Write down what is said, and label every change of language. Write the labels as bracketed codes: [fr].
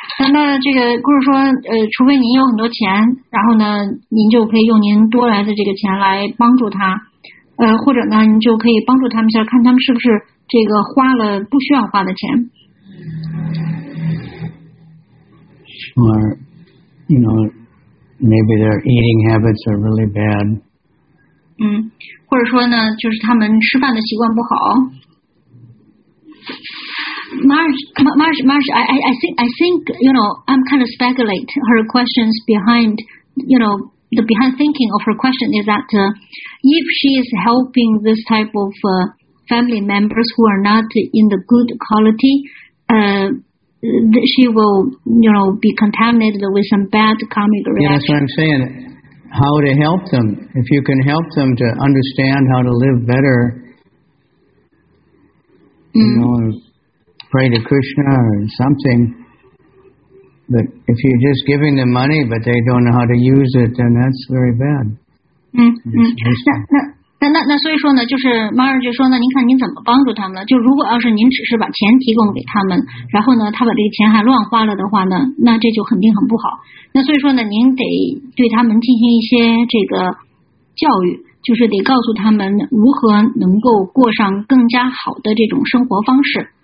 [zh] 那这个故事说，除非您有很多钱，然后呢，您就可以用您多来的这个钱来帮助他，或者呢，您就可以帮助他们一下，看他们是不是这个花了不需要花的钱。 [en] Or, you know, maybe their eating habits are really bad. [zh] 或者说呢，就是他们吃饭的习惯不好。 [en] Marsh, I think, you know, I'm kind of speculate her questions behind, you know, the behind thinking of her question is that if she is helping this type of family members who are not in the good quality, she will, you know, be contaminated with some bad karmic reaction. Yeah, that's what I'm saying. How to help them. If you can help them to understand how to live better, you know, pray to Krishna or something, But if you're just giving them money, but they don't know how to use it, then that's very bad. [zh] 那所以说呢，就是 Mara 就说呢，您看您怎么帮助他们了？就如果要是您只是把钱提供给他们，然后呢，他把这个钱还乱花了的话呢，那这就肯定很不好。那所以说呢，您得对他们进行一些这个教育，就是得告诉他们如何能够过上更加好的这种生活方式。